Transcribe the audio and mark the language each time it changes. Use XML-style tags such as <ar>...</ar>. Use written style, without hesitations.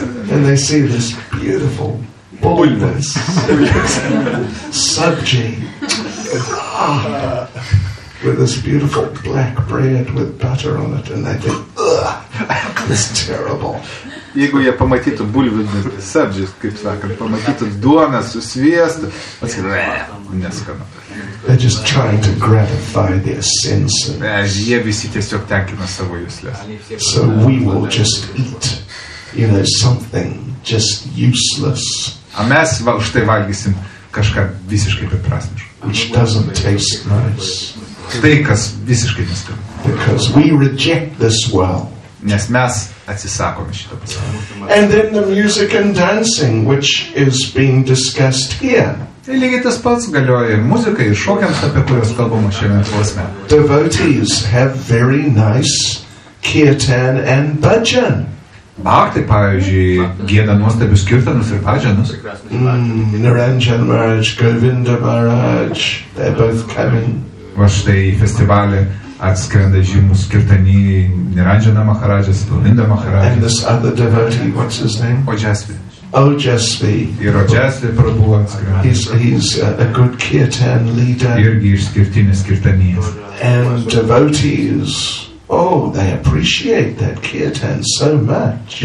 <en>And they see this beautiful bulbous subject with this beautiful black bread with butter on it, and they think, this is terrible.</en> <lt>Jeigu jie pamatytų bulvių subject, kaip sakant, pamatytų duoną su sviestu, neskanu.</lt> <en>They're just trying to gratify their senses.</en> <lt>Jie visi tiesiog tenkina savo jusles.</lt> <en>So we will just eat, you know, something just useless.</en> <lt>A mes štai valgysim kažką visiškai beprasmiško.</lt> <en>Which doesn't taste nice.</en> <lt>Tai, kas visiškai neskanu.</lt> <en>Because we reject this well.</en> <lt>Nes mes atsisakome šito.</lt> <en>And then the music and dancing, which is being discussed here.</en> <lt>Tai lygiai tas pats galioja muzika ir šokiams, apie kuriuos kalbama šiandien posme.</lt> <en>Devotees have very nice kirtan and bhajan.</en> <lt>Bhakti, pavyzdžiui, gieda nuostabius kirtanus ir bhajanus.</lt> <en>Niranjan Maharaj, Govinda Maharaj, they're both coming.</en> <lt>Va štai į festivalį atskrenda žymus kirtaniai Niranjana Maharajas, Govinda Maharajas.</lt> <en>And this other devotee, what's his name? Ojasvi. Ojasvi.</en> <lt>Ir Ojasvi prabhu atskrenda.</lt> <en>He's a good kirtan leader.</en> <lt>Irgi išskirtinis kirtanijas.</lt> <en>And devotees, oh, they appreciate that kirtan so much.</en>